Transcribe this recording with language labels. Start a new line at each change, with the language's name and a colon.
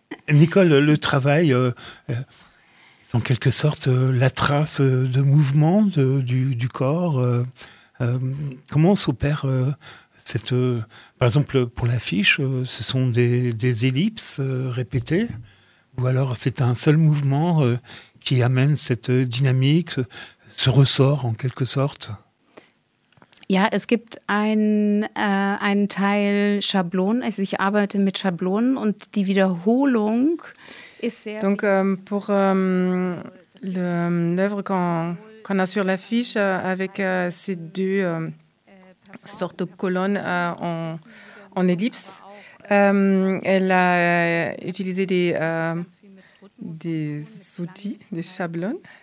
French: Nicole, le travail, en quelque sorte, la trace de mouvement du corps, comment s'opère cette... par exemple, pour l'affiche, ce sont des ellipses répétées, ou alors c'est un seul mouvement qui amène cette dynamique, ce ressort, en quelque sorte.
German: Ja, es gibt einen Teil Schablonen. Also ich arbeite mit Schablonen und die Wiederholung ist sehr.
French: Donc pour l'œuvre qu'on a sur l'affiche avec ces deux sortes de colonnes en ellipse, elle a utilisé des outils, des schablons.